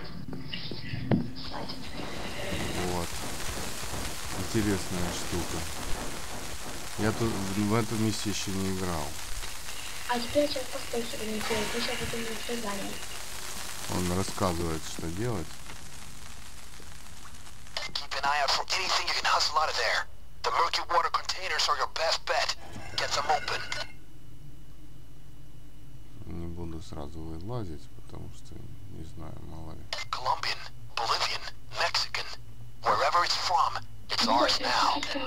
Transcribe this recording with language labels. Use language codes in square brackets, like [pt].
[ru] Вот. Интересная штука. Я тут в этом месте еще не играл. А теперь сейчас постой, что мне делать. Мы сейчас будем на свидание. Он рассказывает, что делать. [en] Keep an eye out for anything you can hustle out of there. The murky water containers are your best bet. Get them open. [ru] Не буду сразу вылазить, потому что не знаю, мало ли. [en] Colombian, Bolivian, Mexican. Wherever it's from, it's ours now.